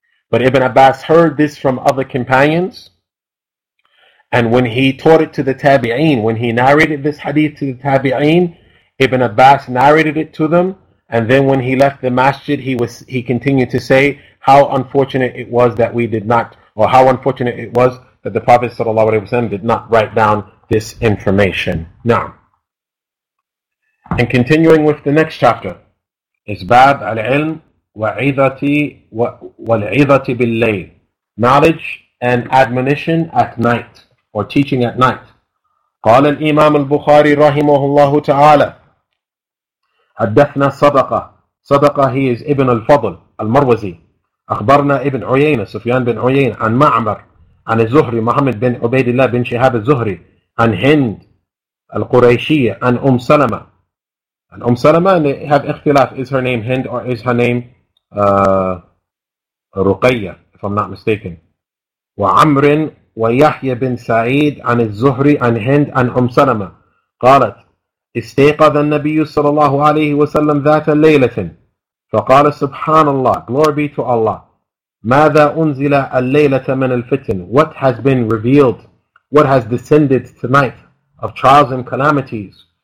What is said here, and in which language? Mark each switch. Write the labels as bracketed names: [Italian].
[English] But Ibn Abbas heard this from other companions, and when he taught it to the tabi'een, when he narrated this hadith to the tabi'een, Ibn Abbas narrated it to them, and then when he left the masjid, he continued to say how unfortunate it was that we did not, or how unfortunate it was that the Prophet sallallahu alaihi wasallam did not write down this information. Now, and continuing with the next chapter, is Bab al-ilm wa'idhati bil-layl, knowledge and admonition at night, or teaching at night. [Arabic] قال الإمام البخاري رحمه الله تعالى حدثنا صدقة صدقة هي ابن الفضل المروزي أخبرنا ابن عيينة سفيان بن عيينة عن معمر عن الزهري محمد بن عبيد الله بن شهاب الزهري عن هند القريشية عن أم سلمة. [English] And Umm Salama, and they have ikhtilaf, is her name Hind or is her name Ruqayya, if I'm not mistaken. [Arabic] وَعَمْرٍ وَيَحْيَ بِنْ سَعِيدٍ عَنِ الزُّهْرِ عَنْ هِنْدْ عَنْ أُمْ سَلَمَةَ قَالَتْ إِسْتَيْقَظَ النَّبِيُّ صلى الله عليه وسلم ذَاتَ لَيْلَةٍ فَقَالَ سُبْحَانَ اللَّهِ [English] Glory be to Allah. [Arabic] مَاذَا أُنْزِلَ اللَّيْلَةَ مِنَ الْفِتْنِ [English] What has been revealed? What has descended tonight of trials and calamities?